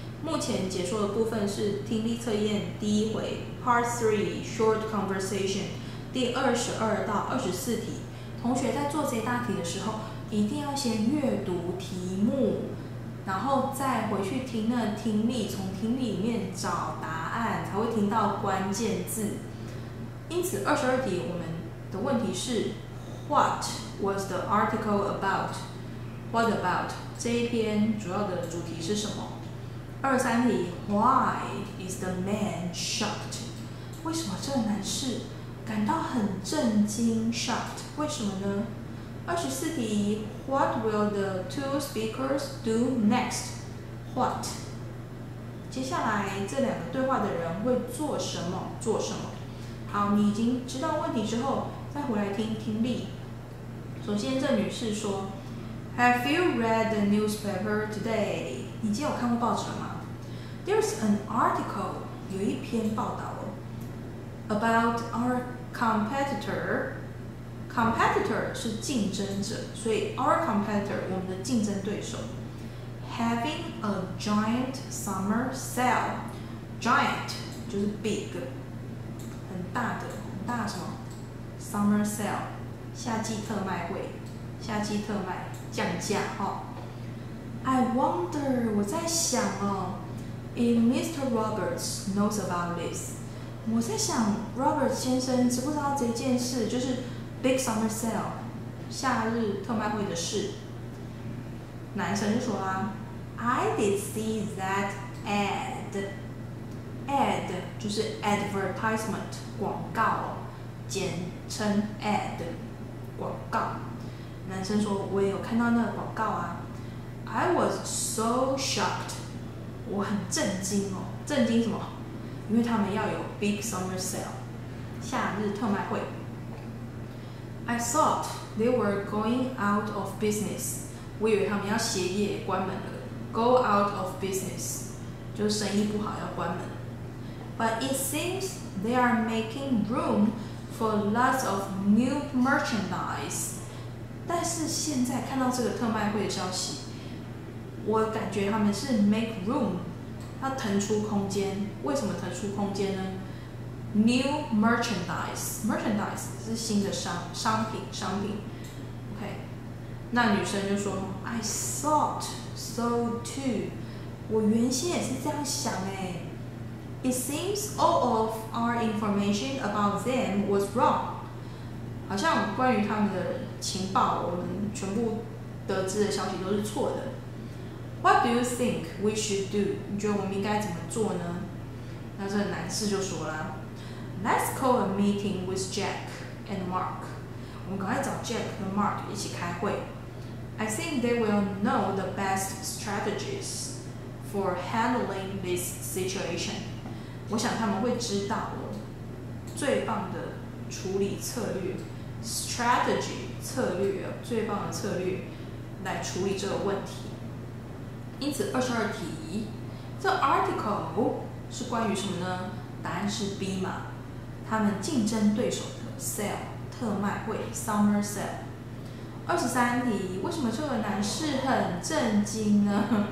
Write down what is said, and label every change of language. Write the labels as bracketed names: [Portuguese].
[Chinese] 目前解说的部分是听力测验第一回 [English] Part 3 Short Conversation [Chinese] 第22到24题。同学在做这大题的时候，一定要先阅读题目，然后再回去听那听力，从听力里面找答案，才会听到关键字。因此22题我们的问题是 [English] What was the article aboutWhat about? [Chinese] 这一篇主要的主题是什么？ [English] 23题 Why is the man shocked? [Chinese] 为什么这个男士感到很震惊 shocked? 为什么呢？24题 [English] What will the two speakers do next? What? [Chinese] 接下来这两个对话的人会做什么？做什么？好，你已经知道问题之后，再回来听听力。首先这女士说 [English] Have you read the newspaper today? [Chinese] 你今天有看过报纸了吗？ [English] There's an article, [Chinese] 有一篇报道哦。 [English] About our competitor. [Chinese] Competitor 是竞争者，所以 [English] our competitor, [Chinese] 我们的竞争对手。 [English] Having a giant summer sale. [Chinese] Giant, 就是 big, 很大的，很大什么？ Summer sale, 夏季特卖会。夏季特卖降价哦。 [English] I wonder, [Chinese] 我在想哦 [English] ，if Mr. [Chinese] Roberts knows about this, 我在想 Roberts 先生知不知道这件事，就是 [English] Big Summer Sale [Chinese] 夏日特卖会的事。男生就说啦 [English] ，I did see that ad. [Chinese] Ad 就是 advertisement 广告，简称 ad 广告。男生说我也有看到那个广告啊 [English] I was so shocked [Chinese] 我很震惊哦震惊什么因为他们要有 big summer sale 夏日特卖会 [English] I thought they were going out of business [Chinese] 我以为他们要歇业关门了 [English] go out of business [Chinese] 就是生意不好要关门 [English] but it seems they are making room for lots of new merchandise [Chinese] 但是现在看到这个特卖会的消息，我感觉他们是 [English] make room， [Chinese] 他腾出空间。为什么腾出空间呢 ？New merchandise 是新的商品。 OK， 那女生就说 ： [English] “I thought so too。” [Chinese] 我原先也是这样想哎。 [English] It seems all of our information about them was wrong。 [Chinese] 好像关于他们的情报，我们全部得知的消息都是错的。 [English] What do you think we should do? [Chinese] 你觉得我们应该怎么做呢？ [English] 那这个男士就说了 ，Let's call a meeting with Jack and Mark. [Chinese] 我们赶快找 Jack 和 Mark 一起开会。 [English] I think they will know the best strategies for handling this situation. [Chinese] 我想他们会知道我最棒的处理策略。 Strategy 策略最棒的策略来处理这个问题因此22题这 article 是关于什么呢答案是 B 嘛他们竞争对手的 sale 特卖会 summer sale 23题为什么这个男士很震惊呢